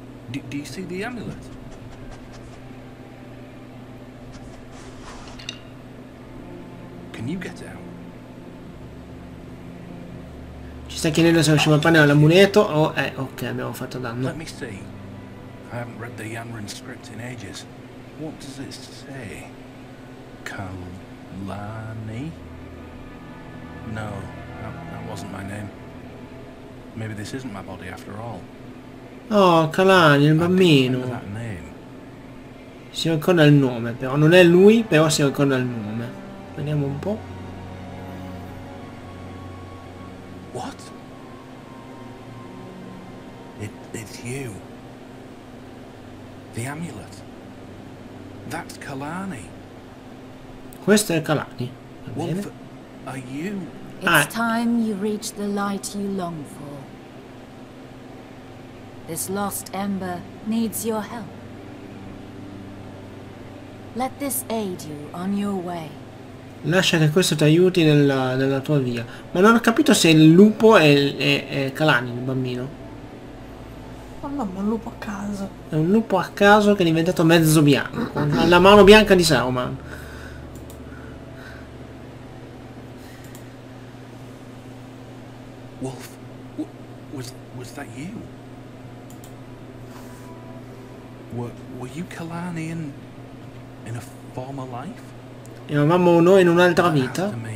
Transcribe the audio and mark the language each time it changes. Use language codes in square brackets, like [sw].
[en] Do you see the amulet? Can you get out? [it] Ci sta chiedendo se riusciamo a prendere l'amuleto o... ok, abbiamo fatto danno. [en] Let me see. I haven't read the Yanrin script in ages. What does it say? Kalani? No, that wasn't my name. Maybe this isn't my body after all. [it] Oh, Kalani, il bambino. Si ricorda il nome, però non è lui, però si ricorda il nome. Vediamo un po'. [en] What? It's you. The amulet. That's Kalani. [it] Questo è Kalani. [en] Wolf, are you? It's time you reach the light you long for. This lost ember needs your help. Let this aid you on your way. [it] Lascia che questo ti aiuti nella tua via. Ma non ho capito se il lupo è Kalani, il bambino. Oh no, ma è un lupo a caso. È un lupo a caso che è diventato mezzo bianco. Ha la mano bianca di Saruman. [en] Wolf, was that you? Were you Kalani in a former life? [it] Eravamo noi in un'altra vita?